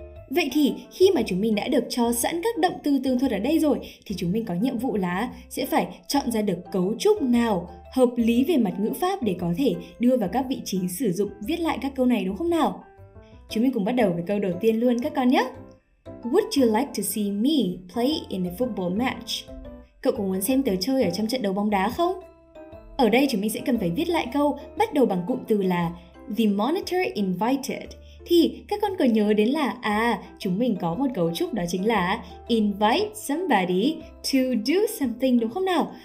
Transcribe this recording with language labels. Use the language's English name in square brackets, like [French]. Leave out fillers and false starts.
[Vietnamese] Vậy thì khi mà chúng mình đã được cho sẵn các động từ tường thuật ở đây rồi thì chúng mình có nhiệm vụ là sẽ phải chọn ra được cấu trúc nào hợp lý về mặt ngữ pháp để có thể đưa vào các vị trí sử dụng viết lại các câu này đúng không nào? Chúng mình cùng bắt đầu với câu đầu tiên luôn các con nhé. [English] Would you like to see me play in a football match? [Vietnamese] Cậu có muốn xem tớ chơi ở trong trận đấu bóng đá không? Ở đây chúng mình sẽ cần phải viết lại câu bắt đầu bằng cụm từ là [English] the monitor invited. [Vietnamese] Thì các con có nhớ đến là chúng mình có một cấu trúc đó chính là [English] invite somebody to do something [Vietnamese] đúng không nào?